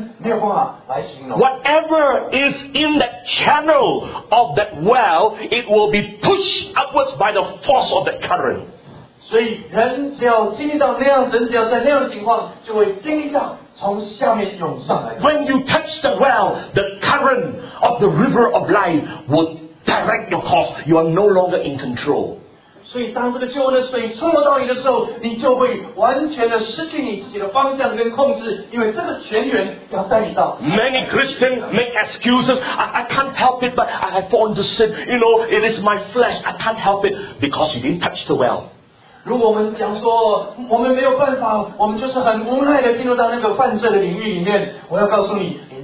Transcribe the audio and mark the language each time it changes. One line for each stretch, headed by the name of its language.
English: Whatever is in that channel of that well, it will be pushed upwards by the force of the current.
Chinese: 所以人只要经历到那样，人只要在那样的情况，就会经历到从下面涌上来。
English: When you touch the well, the current of the river of life will direct your course. You are no longer in control.
Chinese: 所以当这个救恩的水触摸到你的时候，你就会完全的失去你自己的方向跟控制，因为这个泉源要带你到。
English: Many Christians make excuses. I can't help it, but I have fallen to sin. You know, it is my flesh. I can't help it because you didn't touch the well.
Chinese: 如果我们讲说我们没有办法，我们就是很无奈的进入到那个犯罪的领域里面，我要告诉你。